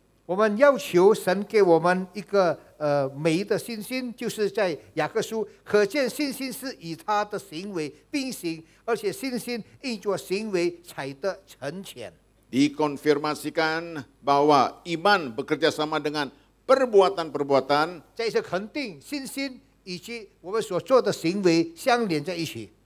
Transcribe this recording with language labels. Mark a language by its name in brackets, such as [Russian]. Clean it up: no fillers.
[Chinese] 我们要求神给我们一个美的信心，就是在雅各书，可见信心是以他的行为并行，而且信心因着行为才得成全。 [Indonesian] Dikonfirmasikan bahwa iman bekerja sama dengan perbuatan-perbuatan. [Chinese] 这是肯定，信心以及我们所做的行为相连在一起。